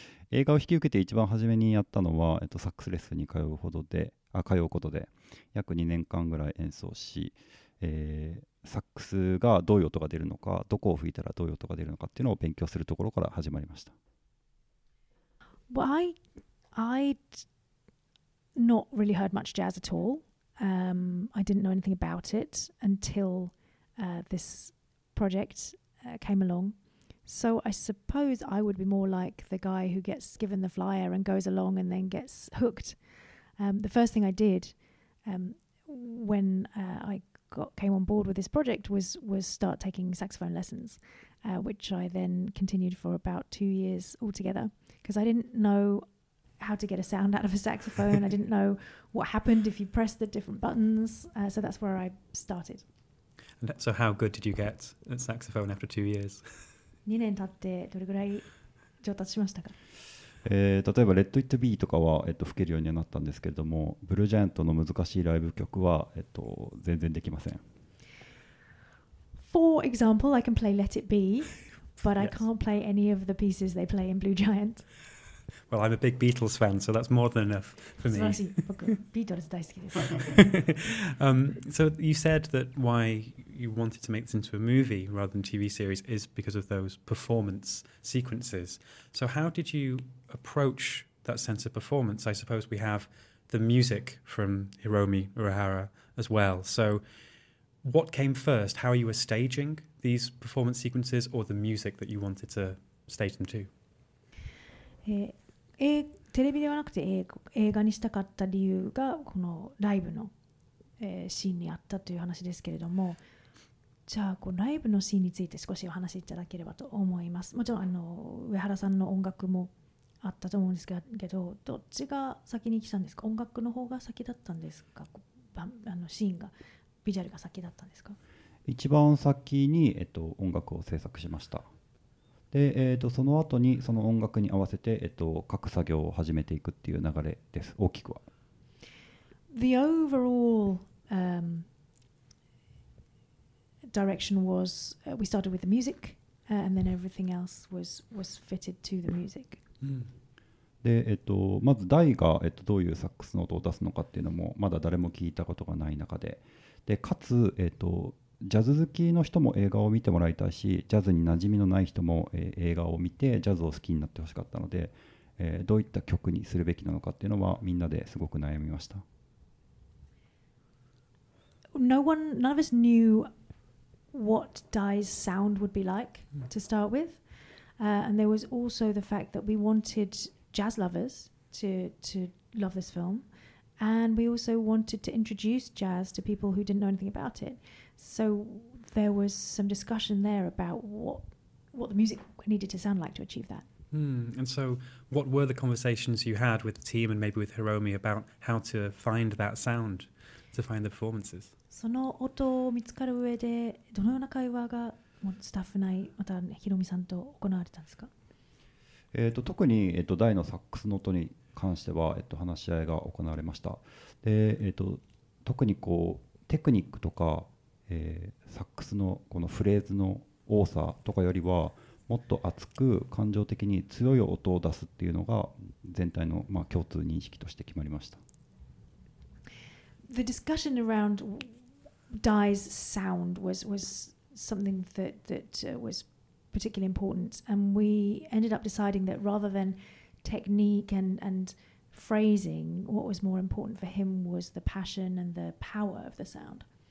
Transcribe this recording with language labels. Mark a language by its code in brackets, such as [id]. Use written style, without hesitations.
[ja] 映画を引き受けて一番初めにやったのは、サックスレッスンに通うことで約2年間ぐらい演奏し、サックスがどういう音が出るのか、どこを吹いたらどういう音が出るのかっていうのを勉強するところから始まりました。 [en] Well, I'd not really heard much jazz at all. I didn't know anything about it until this project came along. So I suppose I would be more like the guy who gets given the flyer and goes along and then gets hooked. The first thing I did when I came on board with this project was start taking saxophone lessons, which I then continued for about 2 years altogether, because I didn't know how to get a sound out of a saxophone. I didn't know what happened if you press the different buttons. So that's where I started. And so how good did you get at saxophone after 2 years? [ja] 2年経ってどれぐらい上達しましたか？例えばレッド・イット・ビーとかは、吹けるようにはなったんですけれども、ブルージャイアントの難しいライブ曲は、全然できません。 [en] For example, I can play Let It Be, but I can't play any of the pieces they play in Blue Giant. Well, I'm a big Beatles fan, so that's more than enough for me. [ja] 素晴らしい。僕、ビートルズ大好きです。 [en] So you said that why... you wanted to make this into a movie rather than TV series is because of those performance sequences. So how did you approach that sense of performance? I suppose we have the music from Hiromi Urahara as well. So what came first? How you were staging these performance sequences or the music that you wanted to stage them to? [ja] テレビではなくて映画にしたかった理由がこのライブのシーンにあったという話ですけれども、じゃあこうライブのシーンについて少しお話しいただければと思います。もちろんあの上原さんの音楽もあったと思うんですけど、どっちが先に来たんですか？音楽の方が先だったんですか？あのシーンがビジュアルが先だったんですか？一番先に、音楽を制作しました。で、その後にその音楽に合わせて、各作業を始めていくっていう流れです。大きくは [en] The overall、direction was、we started with the music、and then everything else was fitted to the music、 [ja] うん、で、まずダイが、どういうサックスの音を出すのかっていうのもまだ誰も聞いたことがない中 でかつ、ジャズ好きの人も映画を見てもらいたいし、ジャズに馴染みのない人も、映画を見てジャズを好きになってほしかったので、どういった曲にするべきなのかっていうのはみんなですごく悩みました。 [en] none of us knew what Dai's sound would be like to start with、and there was also the fact that we wanted jazz lovers to love this film and we also wanted to introduce jazz to people who didn't know anything about itSo there was some discussion there about what the music needed to sound like to achieve that.、 Hmm. And so what were the conversations you had with the team and maybe with Hiromi about how to find that sound, to find the performances? [ja] その音を見つかる上でどのような会話がスタッフ内またヒロミさんと行われたんですか？特に、大のサックスの音に関しては、話し合いが行われました。で、特にこうテクニックとかサックスのこのフレーズの多さとかよりはもっと熱く感情的に強い音を出すっていうのが全体のまあ共通認識として決まりました。 [en] The discussion around Dai's sound was something that was particularly important and we ended up deciding that rather than technique and phrasing, what was more important for him was the passion and the power of the sound.、